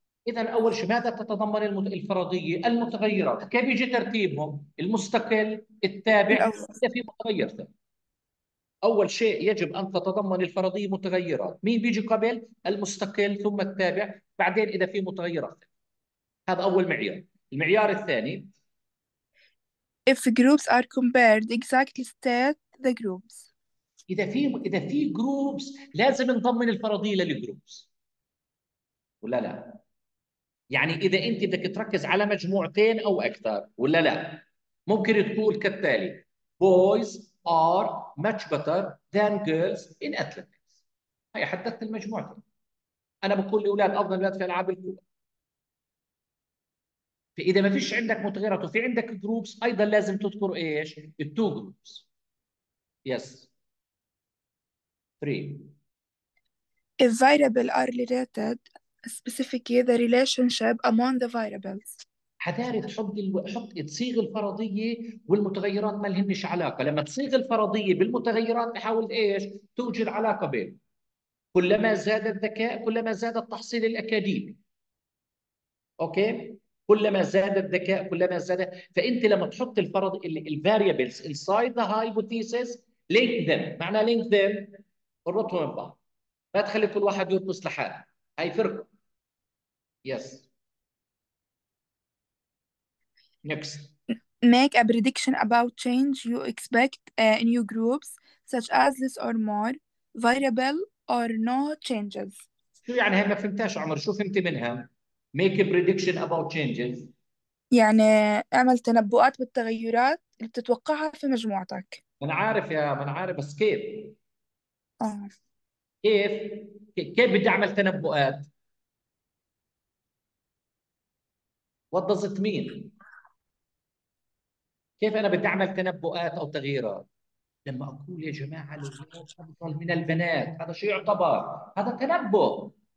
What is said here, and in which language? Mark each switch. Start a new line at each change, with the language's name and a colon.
Arabic: إذا أول شيء ماذا تتضمن الفرضية؟ المتغيرات، كيف يجي ترتيبهم؟ المستقل، التابع، الأول إذا في متغير ثاني. أول شيء يجب أن تتضمن الفرضية متغيرات، مين بيجي قبل؟ المستقل ثم التابع، بعدين إذا في متغيرات. هذا أول معيار. المعيار الثاني
English: If the groups are compared exactly state the groups.
Arabic: إذا في جروبس لازم نضمن الفرضية للجروبس. ولا لا؟ يعني إذا أنت بدك تركز على مجموعتين أو أكثر، ولا لا؟ ممكن تقول كالتالي:
English: Boys are much better than girls in athletics.
Arabic: هي حددت المجموعتين. أنا بقول الأولاد أفضل الأولاد في ألعاب الكورة. فإذا ما فيش عندك متغيرات وفي عندك جروبس، أيضا لازم تذكر إيش؟ التو جروبس.
English: Yes. Three. If variables are related specifically the relationship among the variables.
Arabic: حذاري حط تصيغ الفرضيه والمتغيرات ما لهمش علاقه، لما تصيغ الفرضيه بالمتغيرات تحاول ايش؟ توجد علاقه بين كلما زاد الذكاء كلما زاد التحصيل الاكاديمي. اوكي؟ كلما زاد الذكاء كلما زاد، فانت لما تحط الفرض
English: الفاريبلز inside the hypothesis link them,
Arabic: معناه
English: link them
Arabic: اربطهم ببعض. ما تخلي كل واحد يرقص لحاله، هاي فرقه. يس.
English: Next. Make a prediction about change you expect in your groups, such as less or more variable or no changes.
Arabic: شو يعني هي ما فهمتهاش عمر، شو فهمتي منها؟
English: Make a prediction about changes.
Arabic: يعني اعمل تنبؤات بالتغيرات اللي بتتوقعها في مجموعتك. من عارف بس كيف؟ آه. كيف بدي أعمل تنبؤات؟
English: What does it mean؟
Arabic: كيف انا بدي اعمل تنبؤات او تغييرات؟ لما اقول يا جماعه الاولاد افضل من البنات، هذا شو يعتبر؟ هذا تنبؤ.